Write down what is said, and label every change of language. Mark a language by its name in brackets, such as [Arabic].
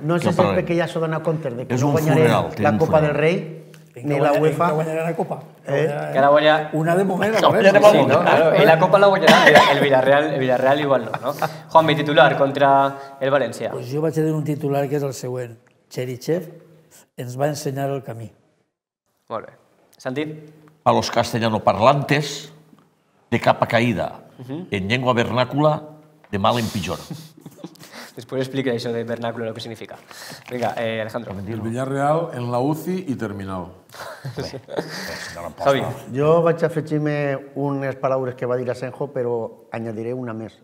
[Catalan] No sé si és perquè ja s'ha donat compte que no guanyaré la Copa del Rei, ni la UEFA. Que guanyaré la Copa. Que la guanyarà... Una de moment. I la Copa la guanyarà el Villarreal igual no. [Spanish] Juan, mi titular contra el València. [Catalan] Doncs jo vaig a dir un titular que és el següent. Cheryshev ens va ensenyar el camí. Molt bé. Santi? [Spanish] A los castellanoparlantes, de capa caída. [Catalan] En llengua vernàcula, de mal en pitjor. Després explica això de vernàcula, el que significa. Vinga, Alejandro. El Villarreal en la UCI i terminal. Javi. Jo vaig afegir-me unes paraules que va dir Asenjo, però [Spanish] añadiré una [Catalan] més.